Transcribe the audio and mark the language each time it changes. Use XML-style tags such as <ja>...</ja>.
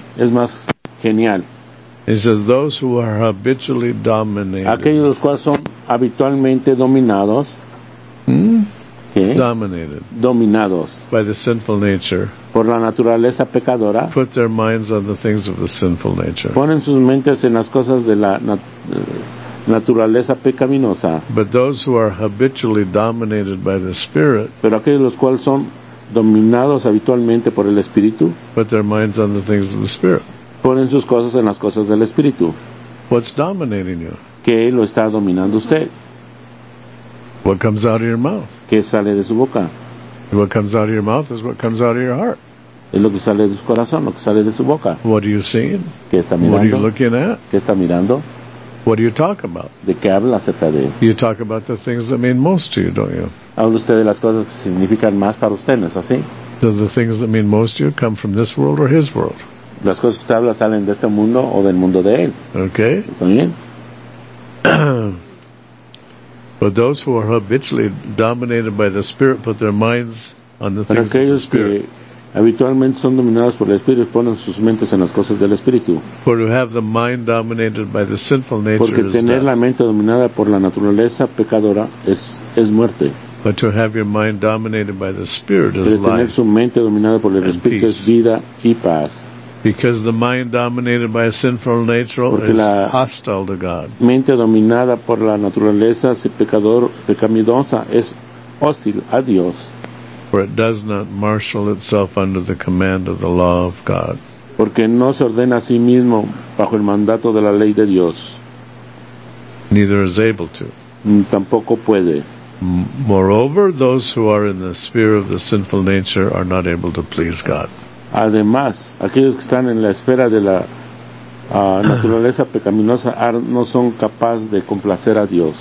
<es>La pone, es más genial.</es> <en>He says, those who are habitually dominated.</en> <es>Aquellos los cuales son habitualmente dominados.</es> <en>Dominated.</en> <es>Dominados.</es> <en>By the sinful nature.</en> <es>Por la naturaleza pecadora.</es> <en>Put their minds on the things of the sinful nature.</en> <es>Ponen sus mentes en las cosas de la naturaleza pecaminosa.</es> <en>But those who are habitually dominated by the Spirit.</en> <es>Pero aquellos los cuales son dominados habitualmente por el Espíritu.</es> <en>Put their minds on the things of the Spirit.</en> <es>Ponen sus cosas en las cosas del Espíritu.</es> <en>What's dominating you?</en> <es>¿Qué lo está dominando usted?</es> <en>What comes out of your mouth?</en> <es>¿Qué sale de su boca?</es> <en>What comes out of your mouth is what comes out of your heart.</en> <es>Es lo que sale de su corazón, lo que sale de su boca.</es> <en>What are you seeing?</en> <es>¿Qué está mirando?</es> <en>What are you looking at?</en> <es>¿Qué está mirando?</es> <en>What do you talk about?</en> <es>¿De qué habla acerca de?</es> <en>You talk about the things that mean most to you, don't you?</en> <es>¿Habla usted de las cosas que significan más para usted, no es así?</es> <en>Do the things that mean most to you come from this world or his world?</en> <es>¿Las cosas que usted habla salen de este mundo o del mundo de él?</es> <en>Okay.</en> <es>¿Está bien?</es> <en>But those who are habitually dominated by the Spirit put their minds on the things of the Spirit.</en> <es>Habitualmente son dominados por el Espíritu, ponen sus mentes en las cosas del Espíritu.</es> <en>For to have the mind dominated by the sinful nature</en> <es>Porque</es> <en>is</en> <es>tener</es> <en>death.</en> <es>La mente dominada por la naturaleza pecadora es muerte.</es> <en>But to have your mind dominated by the Spirit is</en> <es>tener</es> <en>life</en> <es>su mente dominada por el Espíritu</es> <en>peace.</en> <es>Es vida y paz.</es> <en>Because the mind dominated by a sinful nature</en> <es>Porque</es> <en>is</en> <es>la</es> <en>hostile to God.</en> <es>Mente dominada por la naturaleza pecaminosa es hostil a Dios.</es> <en>For it does not marshal itself under the command of the law of God.</en> <es>Porque no se ordena a sí mismo bajo el mandato de la ley de Dios.</es> <en>Neither is able to.</en> <es>Tampoco puede.</es> <en>Moreover, those who are in the sphere of the sinful nature are not able to please God.</en> <es>Además, aquellos que están en la esfera de la naturaleza pecaminosa no son capaces de complacer a Dios.</es>